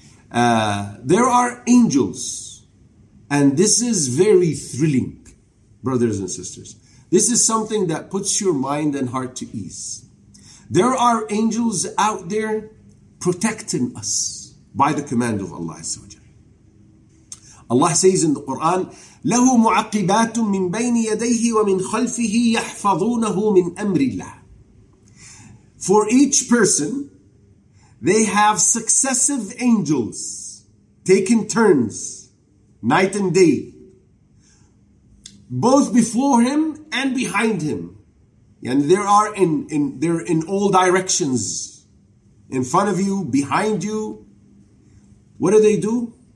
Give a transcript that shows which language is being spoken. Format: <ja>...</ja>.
<en>There are angels. And this is very thrilling, brothers and sisters. This is something that puts your mind and heart to ease. There are angels out there protecting us by the command of Allah Azza wa Jalla. Allah says in the Quran,</en> <ar>لَهُ مُعَقِّبَاتٌ مِّن بَيْنِ يَدَيْهِ وَمِنْ خَلْفِهِ يَحْفَظُونَهُ مِنْ أَمْرِ اللَّهِ.</ar> <en>For each person, they have successive angels taking turns night and day, both before him and behind him. And there are they're in all directions, in front of you, behind you. What do they do?</en>